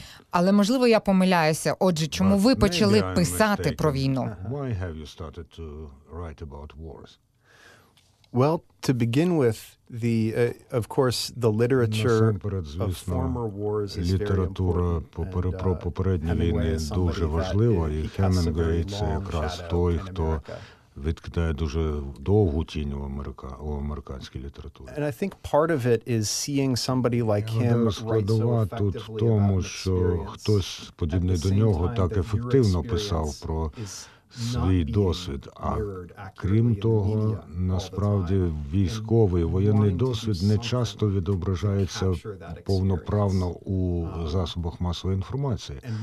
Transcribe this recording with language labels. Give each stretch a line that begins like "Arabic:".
Ukrainian: Але, можливо, я помиляюся. Отже, чому ви почали писати про війну?
English: Why have you started to write about wars? Well, to begin with, the of course, the literature of former wars is
Ukrainian: література про попередні війни дуже важлива, і Хемінгуей це якраз той, хто відкидає дуже довгу тінь у американській літературі.
English: And I think part of it is seeing somebody like him
Ukrainian: складова тут в тому, що хтось подібний до нього так ефективно писав про свій досвід, а крім того, насправді військовий, воєнний досвід не часто відображається повноправно у засобах масової інформації.